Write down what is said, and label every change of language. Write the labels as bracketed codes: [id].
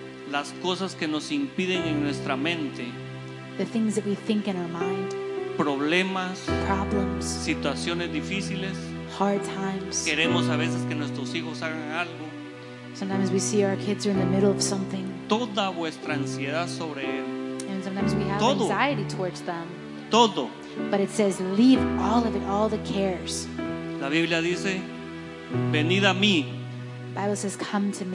[es] Las cosas que nos impiden en nuestra mente. [en] The things that we think in our mind. [es] Problemas, [en] problems, [es] situaciones difíciles, [en] hard times. [es] Queremos a veces que nuestros hijos hagan algo. [en] Sometimes we see our kids are in the middle of something. [es] Toda vuestra ansiedad sobre él. [en] And sometimes we have [es] todo. [en] Anxiety towards them. [es] Todo. [en] But it says, leave all of it, all the cares. [es] La Biblia dice, venid a mí. [en] Bible says, come to me.